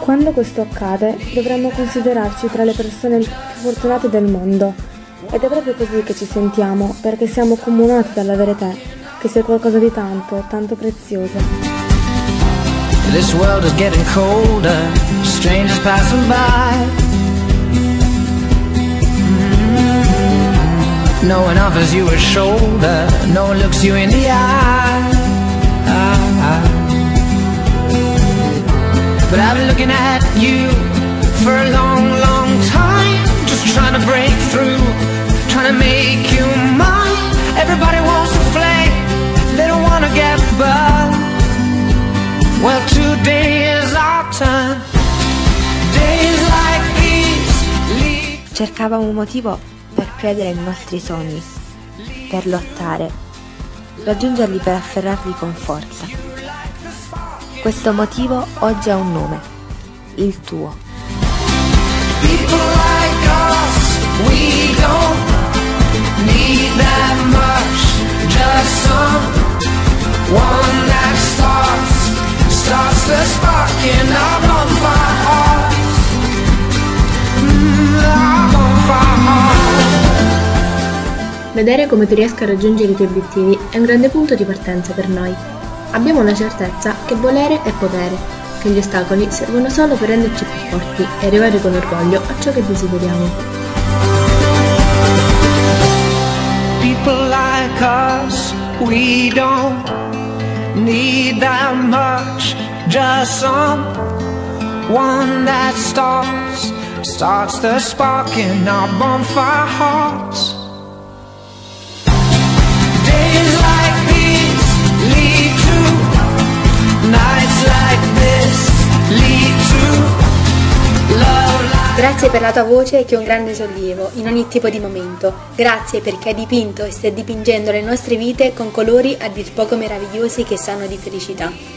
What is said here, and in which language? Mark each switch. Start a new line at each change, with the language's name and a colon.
Italian: Quando questo accade, dovremmo considerarci tra le persone più fortunate del mondo. Ed è proprio così che ci sentiamo, perché siamo accomunati dall'avere te, che sei qualcosa di tanto, tanto prezioso.
English: This world is getting colder, strangers passing by. No one offers you a shoulder, no one looks you in the eye. But I've been looking at you for a long, long time, just trying to break through. Trying to make you mine. Everybody wants a flame, they don't wanna get burned. Well, today is our turn. Days like these lead.
Italian: Cercavamo un motivo per credere ai nostri sogni, per lottare, raggiungerli, per afferrarli con forza. Questo motivo oggi ha un nome: il tuo.
English: People like us, we don't need that much, just someone that starts the spark in our bonfire hearts.
Italian: Vedere come tu riesca a raggiungere i tuoi obiettivi è un grande punto di partenza per noi. Abbiamo la certezza che volere è potere, che gli ostacoli servono solo per renderci più forti e arrivare con orgoglio a ciò che desideriamo.
English: People like us, we don't need that much, just someone that starts the spark in our bonfire hearts. Days like these lead to nights like this lead to love.
Italian: Grazie per la tua voce, che è un grande sollievo in ogni tipo di momento. Grazie perché hai dipinto e stai dipingendo le nostre vite con colori a dir poco meravigliosi, che sanno di felicità.